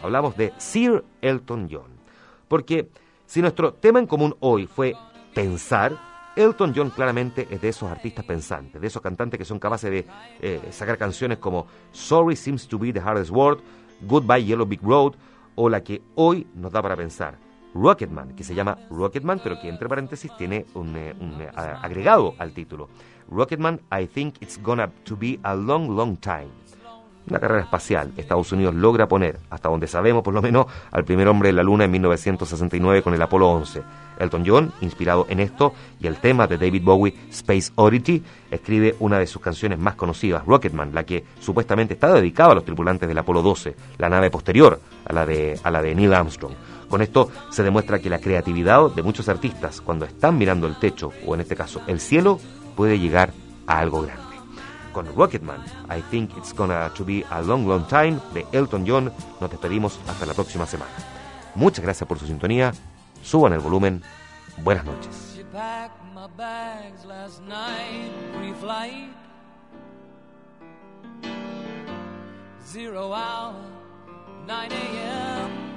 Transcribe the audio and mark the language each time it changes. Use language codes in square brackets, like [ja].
[es] Hablamos de Sir Elton John. Porque si nuestro tema en común hoy fue pensar, Elton John claramente es de esos artistas pensantes, de esos cantantes que son capaces de sacar canciones como Sorry Seems to Be the Hardest Word, Goodbye Yellow Brick Road, o la que hoy nos da para pensar, Rocketman, que se llama Rocketman, pero que entre paréntesis tiene un agregado al título. [en] Rocketman, I think it's gonna to be a long, long time. [es] Una carrera espacial. Estados Unidos logra poner, hasta donde sabemos por lo menos, al primer hombre en la Luna en 1969 con el Apolo 11. Elton John, inspirado en esto y el tema de David Bowie, Space Oddity, escribe una de sus canciones más conocidas, Rocketman, la que supuestamente está dedicada a los tripulantes del Apolo 12, la nave posterior a la de Neil Armstrong. Con esto se demuestra que la creatividad de muchos artistas, cuando están mirando el techo, o en este caso el cielo, puede llegar a algo grande. Con Rocketman, [en] I think it's gonna to be a long, long time, [es] de Elton John, nos despedimos hasta la próxima semana. Muchas gracias por su sintonía, suban el volumen, buenas noches. [en] She packed my bags last night, pre-flight. Zero hour, 9 a.m.